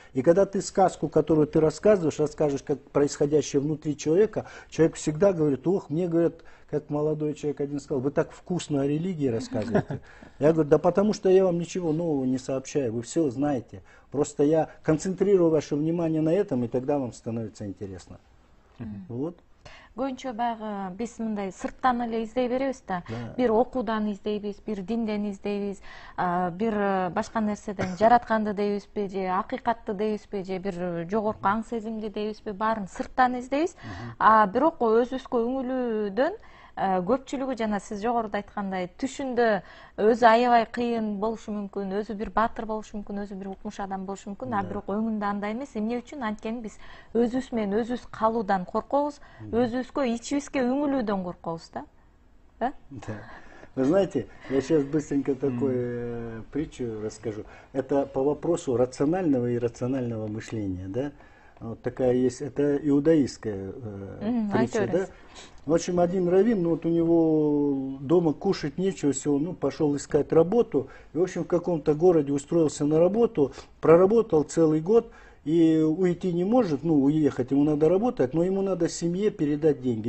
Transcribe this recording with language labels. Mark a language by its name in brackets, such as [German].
[Russian] И когда ты сказку, которую ты рассказываешь, как происходящее внутри человека, человек всегда говорит, ох, мне говорят, как молодой человек один сказал, вы так вкусно о религии рассказываете. Я говорю, да потому что я вам ничего нового не сообщаю, вы все знаете. Просто я концентрирую ваше внимание на этом, и тогда вам становится интересно. Вот. [Kyrgyz] Көбүнчө баягы биз мындай сырттан эле издей беребиз да, бир окуудан издейбиз, бир динден издейбиз, бир башка нерседен жаратканды дейбизби, же акыйкатты дейбизби, же бир жогорку аң сезимди дейбизби, баарын сырттан издейбиз. Бирок өзүбүзгө үңүлүүдөн көпчүлүгү жана сиз жогоруда айткандай түшүндө өзү аябай кыйын болушу мүмкүн, өзү бир баатыр болушу мүмкүн, өзү бир укмуш адам болушу мүмкүн, а бирок өңүндө андай эмес. Эмне үчүн? Анткени биз өзүбүз менен өзүбүз калуудан коркобуз, өзүбүзгө ичибизге үңүлүүдөн коркобуз да. [Russian] Вы знаете, я сейчас быстренько такую притчу расскажу. Это по вопросу рационального и иррационального мышления, да? Вот такая есть, это иудаистская притча, да? В общем, один раввин, ну вот у него дома кушать нечего, все, ну пошел искать работу, и в общем в каком-то городе устроился на работу, проработал целый год, и уйти не может, ну уехать, ему надо работать, но ему надо семье передать деньги.